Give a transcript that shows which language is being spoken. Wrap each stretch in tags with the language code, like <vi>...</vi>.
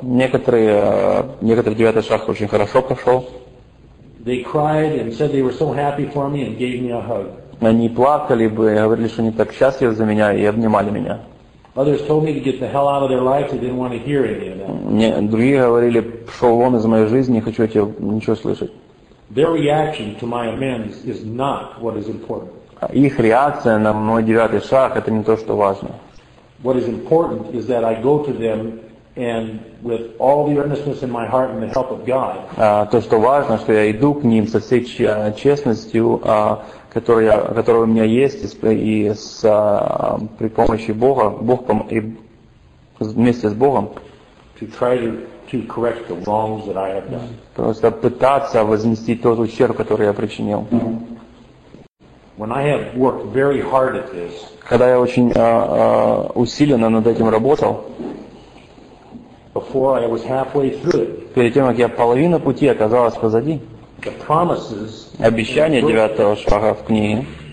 <ru>Некоторые девятый шаг очень хорошо пошел.</ru> <en>They cried and said they were so happy for me and gave me a hug.</en> <ru>Они плакали бы, говорили, что они так счастливы за меня и обнимали меня.</ru> <en>Others told me to get the hell out of their life. They didn't want to hear any of that.</en> <ru>Другие говорили, шел вон из моей жизни, не хочу тебя ничего слышать.</ru> <en>Their reaction to my amends is not what is important.</en> <ru>Их реакция на мой девятый шаг — это не то, что важно.</ru> <en>What is important is that I go to them And with all the earnestness in my heart and the help of God.</en> <ru>То, что важно, что я иду к ним со всей честностью, которая у меня есть, и с при помощи Бога, Бог пом и вместе с Богом.</ru> <en>To correct the wrongs that I have done.</en> <ru>Просто пытаться возместить тот ущерб, который я причинил.</ru> <en>When I have worked very hard at this.</en> <ru>Когда я очень усиленно над этим работал.</ru> <en>Before I was halfway through.</en> <ru>Перед тем, как я половину пути оказалась позади.</ru> <en>The promises.</en> <ru>Обещания девятого шага в книге.</ru>